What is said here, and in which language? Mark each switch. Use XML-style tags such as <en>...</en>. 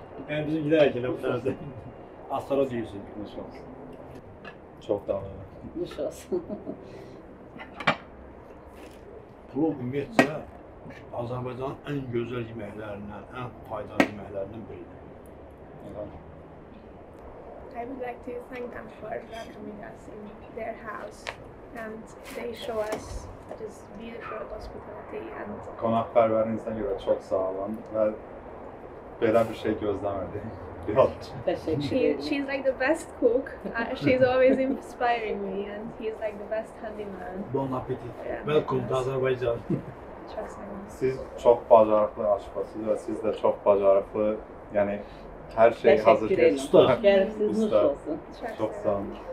<az>Yani bizim gidərək elə bu tərzdə. Astara düyüsün. Nuş olsun. Çox da alınır. Nuş olsun. Bu ümumiyyətcə Azərbaycanın ən gözəl yeməklərindən, ən faydalı yeməklərindən biridir.</az> <en>I would like to thank them for welcoming us in their house, and they show us this beautiful hospitality. And</en> <tr>konakperver insanlara çok sağ olun. Ve böyle bir şey gözlemledim.</tr> <en>She's like the best cook. She's always inspiring me, and he's like the best handyman. Bon appétit. Welcome to Azerbaijan.</en> <tr>Çok sağ olun. Siz çok bacarıklı aşçısınız ve siz de çok bacarıklı yani. Her şey hazır. Usta. Gelip siz nuş olsun. Çok sağ olun.</tr>